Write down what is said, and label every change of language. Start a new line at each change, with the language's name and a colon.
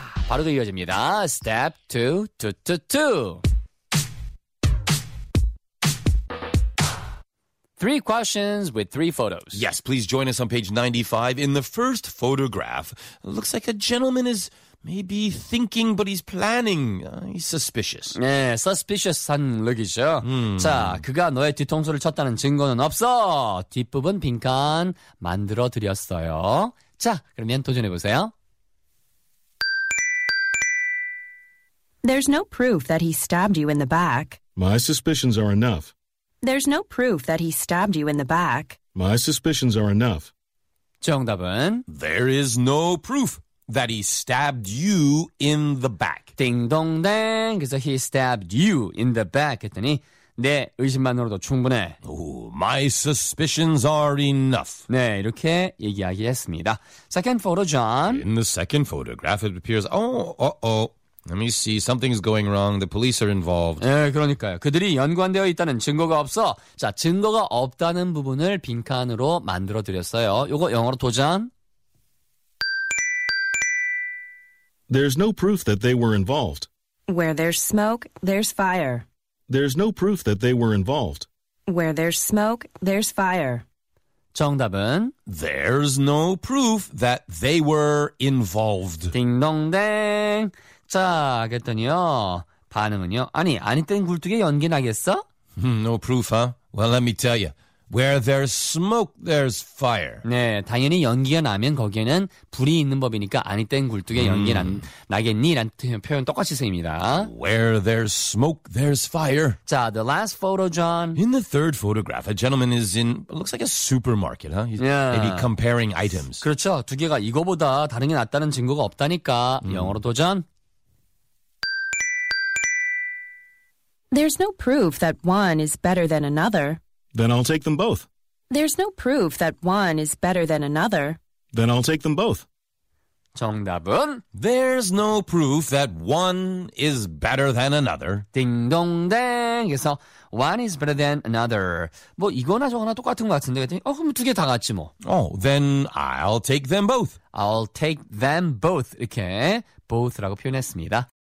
Korean: 바로 더 이어집니다.
English: Step 2, 2, 2, 2. Three questions with three photos. Yes, please join us on page 95. In the first photograph, it looks like a gentleman is maybe thinking, but he's planning. He's suspicious.
Korean: 네,
English: suspicious
Korean: 한
English: look
Korean: 이죠. 자, 그가 너의 뒤통수를 쳤다는 증거는 없어. 뒷부분 빈칸 만들어 드렸어요. 자, 그러면 도전해 보세요.
English: There's no proof that he stabbed you in the back. My suspicions are enough. There's no proof that he stabbed you in the back. My suspicions are enough.
Korean: 정답은
English: There is no proof that he stabbed you in the back.
Korean: 딩동댕. 그래서
English: he stabbed you in the back
Korean: 했더니 내 의심만으로도 충분해.
English: Oh, my suspicions are enough.
Korean: 네, 이렇게 얘기하기 했습니다.
English: Second photo, John. In the second photograph, it appears, Let me see, something's going wrong. The police are involved.
Korean: 네, 그러니까요. 그들이 연관되어 있다는 증거가 없어. 자, 증거가 없다는 부분을 빈칸으로 만들어드렸어요. 이거 영어로 도전.
English: There's no proof that they were involved. Where there's smoke, there's fire. There's no proof that they were involved. Where there's smoke, there's fire.
Korean: 정답은
English: There's no proof that they were involved.
Korean: 딩동댕. 자, 그랬더니요. 반응은요. 아니, 아니 땐 굴뚝에 연기 나겠어?
English: No proof, huh? Well, let me tell you. Where there's smoke, there's fire.
Korean: 네, 당연히 연기가 나면 거기에는 불이 있는 법이니까 아니 땐 굴뚝에 연기 나겠니? 라는 표현 똑같이 쓰입니다.
English: Where there's smoke, there's fire. 자, the last photo, John. In the third photograph, a gentleman is in, looks like a supermarket, huh? He's maybe comparing items.
Korean: 그렇죠, 두 개가 이거보다 다른 게 낫다는 증거가 없다니까. 영어로 도전.
English: There's no proof that one is better than another. Then I'll take them both. There's no proof that one is better than another. Then I'll take them both.
Korean: 정답은
English: There's no proof that one is better than another.
Korean: 딩동댕. 그래서
English: one is better than another.
Korean: 뭐 이거나 저거나 똑같은 것 같은데 어 그럼 두 개 다 같지 뭐.
English: Oh, then I'll take them both. I'll take them both.
Korean: 이렇게 both라고 표현했습니다.